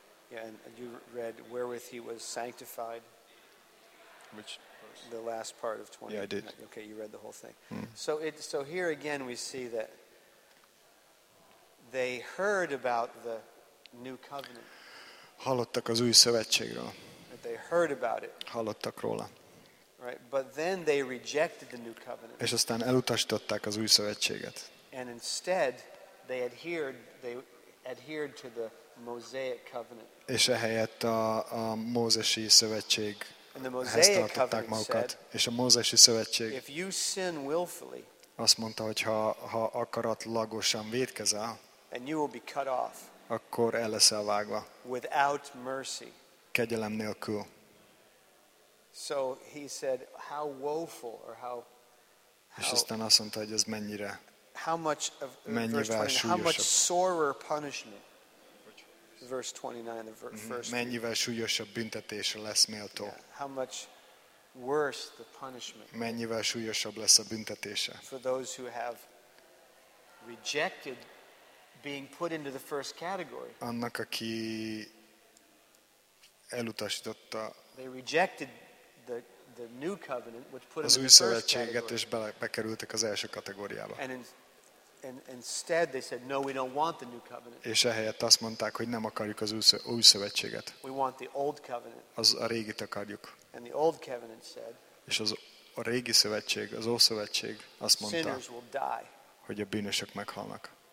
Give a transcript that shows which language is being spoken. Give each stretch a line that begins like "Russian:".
English: Yeah, and you read wherewith he was sanctified. Which the last part of 20. Yeah, I did. Okay, you read the whole thing. So here again we see that they heard about the new covenant.
Hungarian: Hallottak az új szövetségről.
English: They heard about it.
Hungarian: Hallottak róla.
English: Right, but then they rejected the new covenant.
Hungarian: És aztán elutasították az új szövetséget.
English: And instead, they adhered to the Mosaic covenant.
Hungarian: És ehelyett a mózesi szövetséghez tartották magukat. És a mózesi szövetség.
English: If you sin willfully.
Hungarian: Azt mondta, hogy ha akaratlagosan vétkezel.
English: And you will be cut off.
Hungarian: Akkor el leszel vágva.
English: Without mercy.
Hungarian: Kegyelem nélkül.
English: So he said, how woeful or how.
Hungarian: És aztán azt mondta, hogy ez mennyire.
English: How much of
Hungarian: mennyivel
English: verse 29, how much sorer punishment. Verse 29 the first.
Hungarian: Mennyivel súlyosabb büntetésre lesz méltó.
English: Yeah, how much worse the punishment.
Hungarian: Mennyivel súlyosabb lesz a büntetése.
English: For those who have rejected being put into the first category.
Hungarian: Annak, aki elutasította.
English: They rejected the new covenant, which put them in the first category.
Hungarian: És bekerültek az első kategóriába.
English: And instead they said, no, we don't want the new covenant.
Hungarian: És ehelyett azt mondták, hogy nem akarjuk az új szövetséget.
English: We want the old covenant.
Hungarian: Az a régit akarjuk.
English: And the old covenant said.
Hungarian: És az a régi szövetség, az új szövetség azt mondta.
English: Sinners will die.
Hungarian: Hogy a bűnösök meghalnak.